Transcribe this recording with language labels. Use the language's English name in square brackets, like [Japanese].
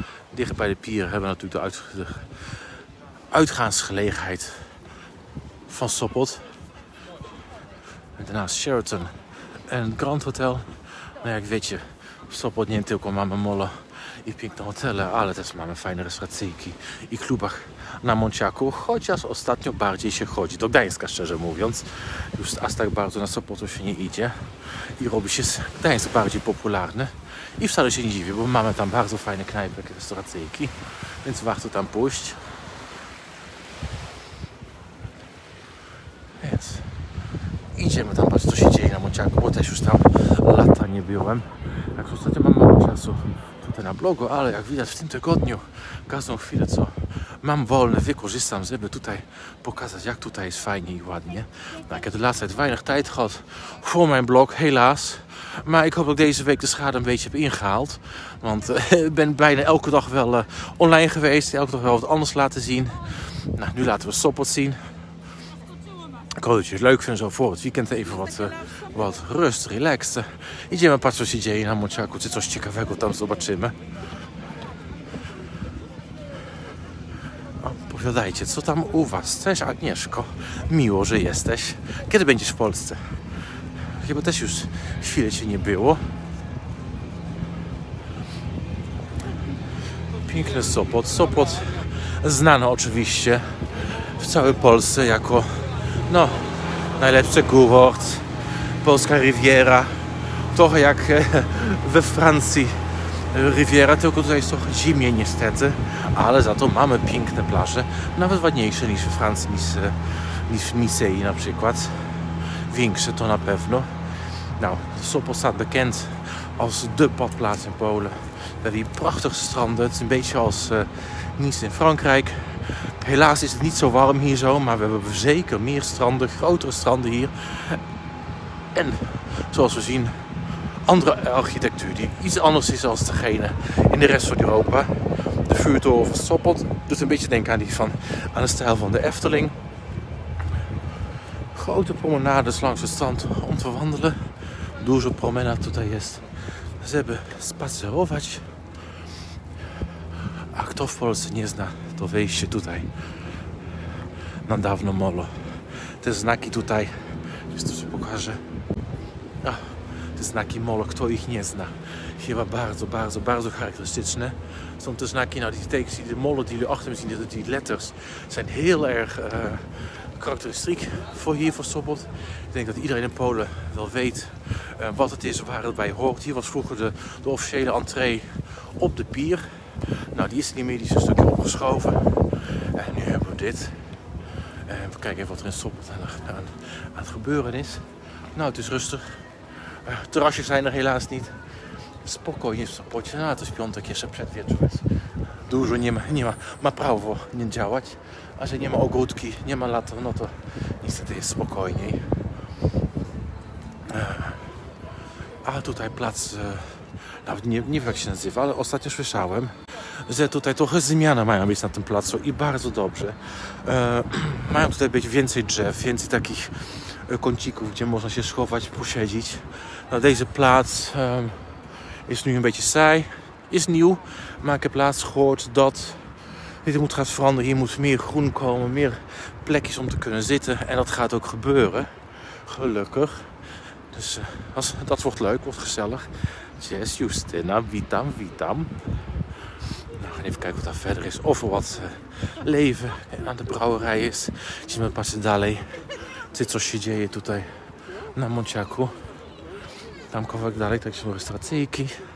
[Dutch] Dicht bij de pier hebben we natuurlijk de uitgaansgelegenheid van Sopot. En daarnaast Sheraton en het Grand Hotel. Nou ja, ik weet je, Sopot neemt ook maar mijn mollen. [Polish] I piękne hotele, ale też mamy fajne restauracyjki i klubach na Monciaku, chociaż ostatnio bardziej się chodzi do Gdańska, szczerze mówiąc. Już aż tak bardzo na Sopotu się nie idzie i robi się Gdańsk bardziej popularny. I wcale się nie dziwię, bo mamy tam bardzo fajne knajpy, restauracyjki, więc warto tam pójść. Więc idziemy tam, patrz co się dzieje na Monciaku, bo też już tam lata nie byłem. Tak, ostatnio mam mało czasu tutaj na blogu, ale jak widać w tym tygodniu, każdą chwilę co mam wolne, wykorzystam, żeby tutaj pokazać, jak tutaj jest fajnie i ładnie. [Dutch] Nou, ik heb de laatste tijd weinig tijd gehad voor mijn blog, helaas. Maar ik hoop dat ik deze week de schade een beetje heb ingehaald. Want ik ben bijna elke dag wel online geweest, elke dag wel wat anders laten zien. Nou, nu laten we Sopot zien. Ik hoop dat jullie het leuk vinden zo voor het weekend even wat rust, relaxen. [Polish] Idziemy patrzeć, co się dzieje na Mociaku, czy coś ciekawego tam zobaczymy. Opowiadajcie, co tam u was? Cześć Agnieszko, miło, że jesteś. Kiedy będziesz w Polsce? Chyba też już chwilę cię nie było. Piękny Sopot. Sopot znany oczywiście w całej Polsce jako no, najlepszy kurort, polska Riviera. Trochę jak we Francji Riviera, tylko tutaj jest trochę zimniej niestety, ale za to mamy piękne plaże, nawet ładniejsze niż we Francji, niż w Nicei na przykład. Większe to na pewno. [Dutch] Nou, Sopot staat bekend als de badplaats in Polen. Met die prachtige stranden. Het is een beetje als Nice in Frankrijk. Helaas is het niet zo warm hier zo, maar we hebben zeker meer stranden, grotere stranden hier. En zoals we zien, andere architectuur die iets anders is dan degene in de rest van Europa. De vuurtoren van Sopot doet een beetje denken aan die van aan de stijl van de Efteling. Grote promenades langs het strand om te wandelen. [Polish] Dużo promenad tutaj jest, żeby spacerować. A kto w Polsce nie zna, to wejście tutaj na dawno molo. Te znaki tutaj, już to się pokażę. Ach, te znaki molo, kto ich nie zna? Chyba bardzo, bardzo, bardzo charakterystyczne. Są te znaki, [Dutch] nou, die tekens, die molo die jullie achter me zien, die letters, zijn heel erg karakteristiek voor hier voor Sopot. Ik denk dat iedereen in Polen wel weet wat het is, waar het bij hoort. Hier was vroeger de officiële entree op de pier. Nou, die is er niet meer, die is een stukje opgeschoven. En nu hebben we dit. En we kijken even wat er in Sopot aan het gebeuren is. Nou, het is rustig. Terrasjes zijn er helaas niet. [Polish] Spoko jest w Sopocie. No, to jest piątek, jeszcze przed wieczorem. Dużo nie ma prawo nie działać. A że nie ma ogródki, nie ma lata, no to niestety jest spokojniej. A tutaj plac, nawet nie wiem jak się nazywa, ale ostatnio słyszałem, że tutaj trochę zmiany mają być na tym placu i bardzo dobrze. Mają tutaj być więcej drzew, więcej takich kącików, gdzie można się schować, posiedzieć. [Dutch] Na deze plac jest nu een beetje saai, is nieuw, maar ik heb laatst gehoord dat dit moet gaan veranderen. Hier moet meer groen komen, meer plekjes om te kunnen zitten en dat gaat ook gebeuren, gelukkig. Dus dat wordt leuk, wordt gezellig. Yes, Justina, [Polish] witam, witam. [Dutch] Nou, gaan even kijken wat daar verder is, of er wat leven aan de brouwerij is. Zie je met Pasadale, dit soort ideeën [Polish] tutaj na Mociaku. Tam kawałek dalej, tak są restauracyjki.